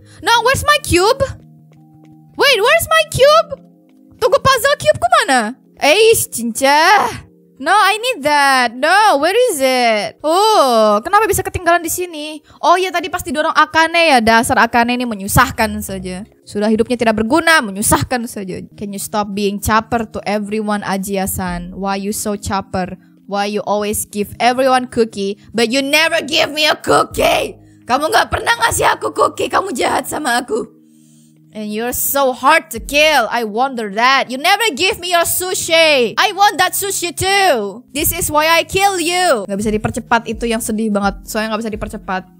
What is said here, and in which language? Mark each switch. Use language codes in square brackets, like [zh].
[en] No, where's my cube? Wait, where's my cube? [id] Tunggu, puzzle cube-ku mana? [en] Eish, cinca. No, I need that. No, where is it? [id] Oh, kenapa bisa ketinggalan di sini? Oh iya, tadi pasti dorong Akane ya. Dasar Akane ini menyusahkan saja. Sudah hidupnya tidak berguna, menyusahkan saja. [en] Can you stop being chopper to everyone, Ajiasan? Why you so chopper? Why you always give everyone cookie, but you never give me a cookie? [id] Kamu gak pernah ngasih aku cookie, kamu jahat sama aku. [en] And you're so hard to kill, I wonder that. You never give me your sushi, I want that sushi too. This is why I kill you. [id] Gak bisa dipercepat, itu yang sedih banget. Soalnya gak bisa dipercepat.